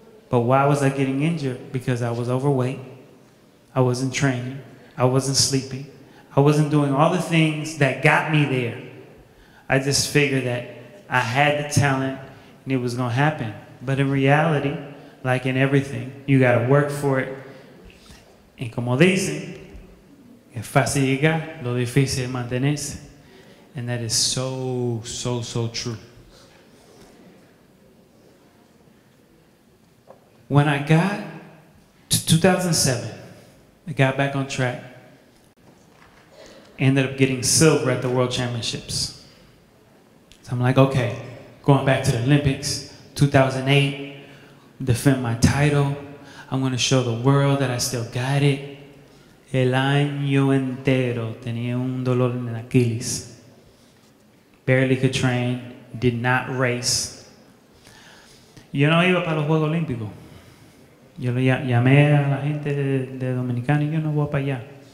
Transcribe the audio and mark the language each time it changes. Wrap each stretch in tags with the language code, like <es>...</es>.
<en>But why was I getting injured? Because I was overweight. I wasn't training. I wasn't sleeping. I wasn't doing all the things that got me there. I just figured that I had the talent and it was gonna happen. But in reality, like in everything, you gotta work for it.</en> <es>Y como dicen, es fácil llegar, lo difícil mantenerse.</es> <en>And that is so, so, so true. When I got to 2007, I got back on track, ended up getting silver at the World Championships. So I'm like, okay, going back to the Olympics, 2008, defend my title. I'm gonna show the world that I still got it.</en> <es>El año entero tenía un dolor en Aquiles.</es> <en>Barely could train, did not race.</en> <es>Yo no iba para los Juegos Olímpicos. Yo lo llamé a la gente de Dominicana y yo no voy para allá.</es>